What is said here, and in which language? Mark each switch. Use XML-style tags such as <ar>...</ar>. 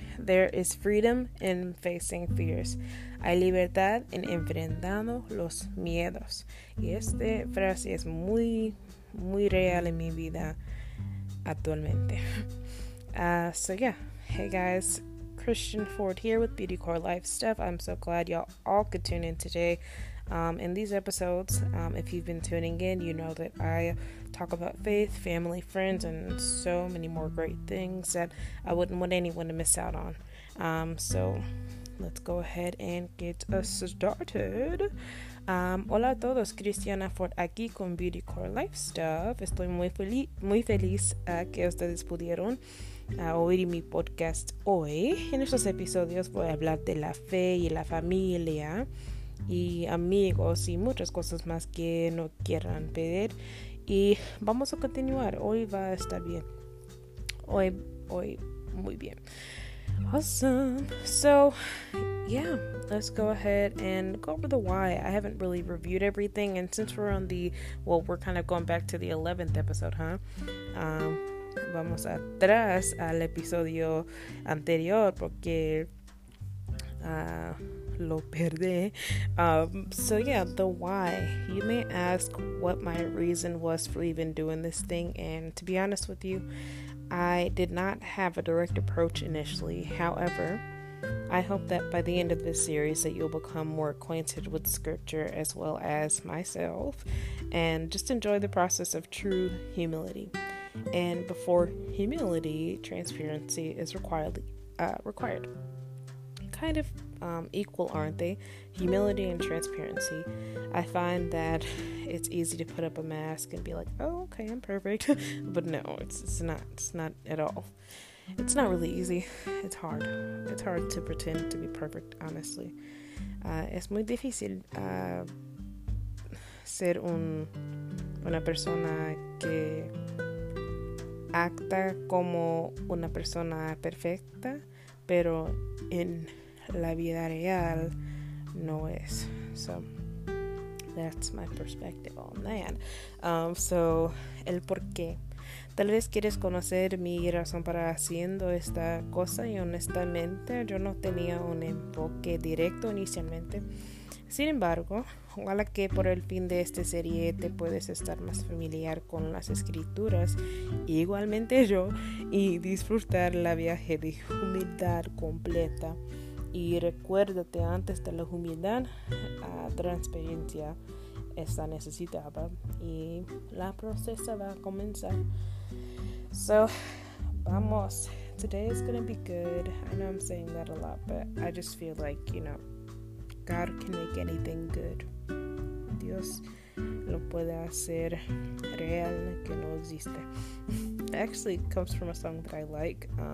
<en>There is freedom in facing fears.</en> <es>Hay libertad en enfrentando los miedos. Y esta frase es muy, muy real en mi vida actualmente.</es> <en>So yeah. Hey guys, Christian Ford here with Beauty Core Life Stuff. I'm so glad y'all all could tune in today. In these episodes, if you've been tuning in, you know that I talk about faith, family, friends, and so many more great things that I wouldn't want anyone to miss out on. So let's go ahead and get us started.</en> <es>Hola a todos, Cristiana Ford aquí con Beauty Core Life Stuff. Estoy muy feliz que ustedes pudieron oír mi podcast hoy. En estos episodios voy a hablar de la fe y la familia y amigos y muchas cosas más que no quieran pedir. Y vamos a continuar. Hoy va a estar bien. Hoy muy bien. Awesome.</es> <en>So yeah, let's go ahead and go over the why. I haven't really reviewed everything, and since we're on the, well, we're kind of going back to the 11th episode, huh?</en> <es>Vamos atrás al episodio anterior porque lo perdí.</es> <en>So yeah, the why. You may ask what my reason was for even doing this thing, and to be honest with you, I did not have a direct approach initially. However, I hope that by the end of this series that you'll become more acquainted with scripture as well as myself and just enjoy the process of true humility. And before humility, transparency is required. Kind of equal, aren't they? Humility and transparency. I find that it's easy to put up a mask and be like, oh, okay, I'm perfect. But no, it's not. It's not at all. It's not really easy. It's hard. It's hard to pretend to be perfect, honestly.</en> <es>Es muy difícil ser una persona que acta como una persona perfecta, pero en la vida real no es.</es> <en>So that's my perspective on that. So</en> <es>el por qué. Tal vez quieres conocer mi razón para haciendo esta cosa y honestamente yo no tenía un enfoque directo inicialmente. Sin embargo, ojalá que por el fin de esta serie te puedes estar más familiar con las escrituras, igualmente yo, y disfrutar la viaje de humildad completa. Y recuérdate, antes de la humildad, la transparencia está necesitada y la procesa va a comenzar.</es> <en>So, vamos. Today is gonna be good. I know I'm saying that a lot, but I just feel like, you know, God can make anything good.</en> <es>Dios lo puede hacer real que no existe.</es> <en>Actually, it comes from a song that I like.</en>